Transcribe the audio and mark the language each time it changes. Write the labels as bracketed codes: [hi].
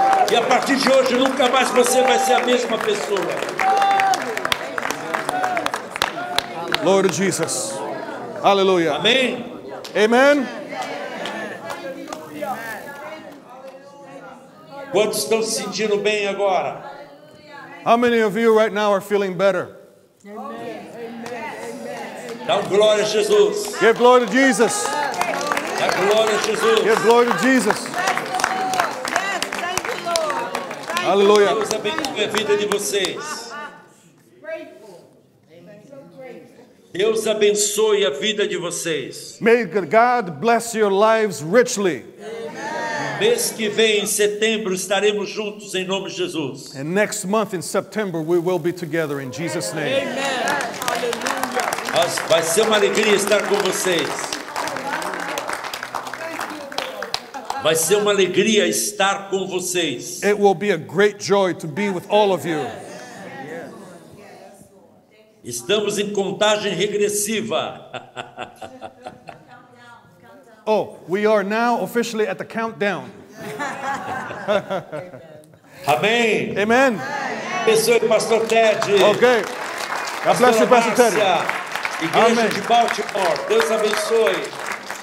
[pt] E a partir de hoje, nunca mais você vai ser a mesma pessoa. [en] Glory to Jesus. Hallelujah. [pt] Amém. [en] Amen. [pt] Quantos estão se sentindo bem agora? [en] How many of you right now are feeling better? [pt] Dá glória a Jesus. [en] Give glory to Jesus. Dá glória a Jesus. Give glory to Jesus. Yes, thank you, Lord. Hallelujah. [pt] Deus abençoe a vida de vocês. Deus abençoe a vida de vocês. [en] May God bless your lives richly. Amen. [pt] Mês que vem, em setembro, estaremos juntos em nome de Jesus. [en] And next month, in September, we will be together in Jesus' name. Amen. [pt] Vai ser uma alegria estar com vocês. Vai ser uma alegria estar com vocês. [en] It will be a great joy to be with all of you. [pt] Estamos em contagem regressiva. [en] Oh, we are now officially at the countdown. [pt] Amém. [en] Amen. [pt] Abençoe, Pastor Ted. [en] Okay. God bless you, Pastor Ted. [pt] Igreja Amen. De Baltimore. Deus abençoe.